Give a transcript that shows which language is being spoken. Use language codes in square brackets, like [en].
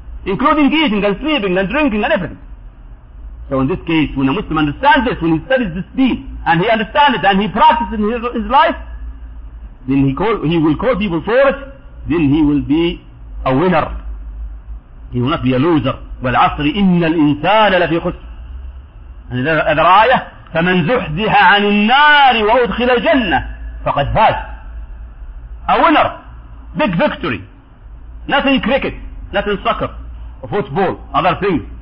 [en] Including eating and sleeping and drinking and everything. So in this case, when a Muslim understands this, when he studies this deen, and he understands it, and he practices in his life, then he will call people for it, then he will be a winner. He will not be a loser. [ar] والعصر إن الإنسان لفي خسر. [en] And another ayah, [ar] فمن زحزح عن النار وأدخل الجنة فقد فاز. [en] A winner. Big victory. Not in cricket, not in soccer, football, other things.